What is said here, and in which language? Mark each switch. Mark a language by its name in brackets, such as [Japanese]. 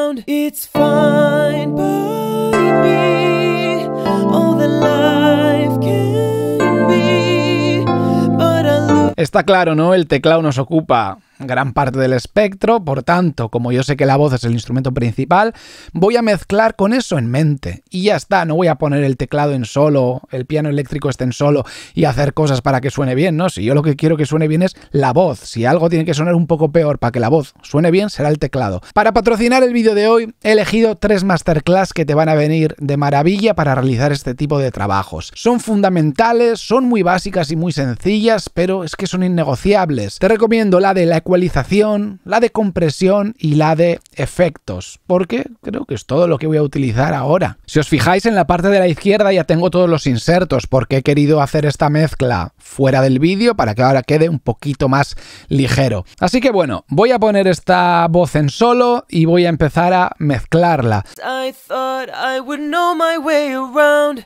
[English] It's fine by me, all the life can be, but I love. [Spanish] Está claro, ¿no? El teclado nos ocupa gran parte del espectro, por tanto, como yo sé que la voz es el instrumento principal, voy a mezclar con eso en mente. Y ya está, no voy a poner el teclado en solo, el piano eléctrico esté en solo y hacer cosas para que suene bien, ¿no? Si yo lo que quiero que suene bien es la voz. Si algo tiene que sonar un poco peor para que la voz suene bien, será el teclado. Para patrocinar el vídeo de hoy, he elegido tres masterclass que te van a venir de maravilla para realizar este tipo de trabajos. Son fundamentales, son muy básicas y muy sencillas, pero es que son innegociables. Te recomiendo la de la ecualización, la de compresión y la de efectos, porque creo que es todo lo que voy a utilizar ahora. Si os fijáis en la parte de la izquierda ya tengo todos los insertos, porque he querido hacer esta mezcla fuera del vídeo para que ahora quede un poquito más ligero. Así que bueno, voy a poner esta voz en solo y voy a empezar a mezclarla. [English] I thought I would know my way around.